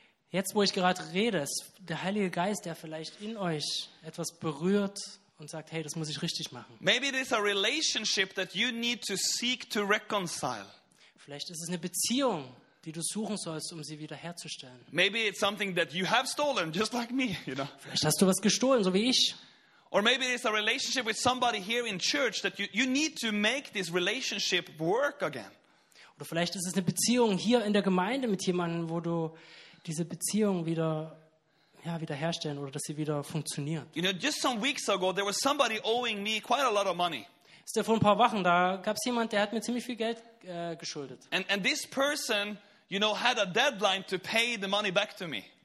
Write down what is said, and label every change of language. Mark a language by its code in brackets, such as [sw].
[de] Jetzt, wo ich gerade rede, ist der Heilige Geist, der vielleicht in euch etwas berührt und sagt, hey, das muss ich richtig machen. [en] Maybe it is a relationship that you need to seek to reconcile. [de] Vielleicht ist es eine Beziehung, die du suchen sollst, um sie wiederherzustellen. [en] Maybe it's something that you have stolen, just like me, you know. [de] Vielleicht hast du was gestohlen, so wie ich. [en] Or maybe it's a relationship with somebody here in church that you need to make this relationship work again. [de] Oder vielleicht ist es eine Beziehung hier in der Gemeinde mit jemandem, wo du diese Beziehung wieder, ja, wiederherstellen oder dass sie wieder funktioniert. [en] You know, just some weeks ago there was somebody owing me quite a lot of money. [de] Ist ja vor ein paar Wochen, da gab es jemand, der hat mir ziemlich viel Geld geschuldet. [en] And this person, you know, had a deadline to pay the money back to me.